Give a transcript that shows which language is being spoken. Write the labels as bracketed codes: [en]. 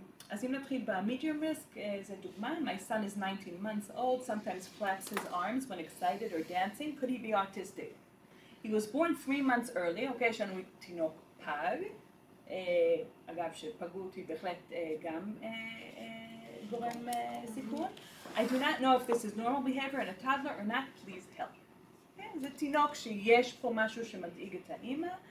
[he] אז אם נתחיל ב-medium risk, זה דוגמה, [en] my son is 19 months old, sometimes flaps his arms when excited or dancing, could he be autistic? He was born 3 months early, [he] אוקיי, יש לנו תינוק פג, אגב, שפגות היא בהחלט גם גורם סיכון. [en] I do not know if this is normal behavior in a toddler or not, please help. [he] כן, זה תינוק שיש פה משהו שמדאיג את האמא.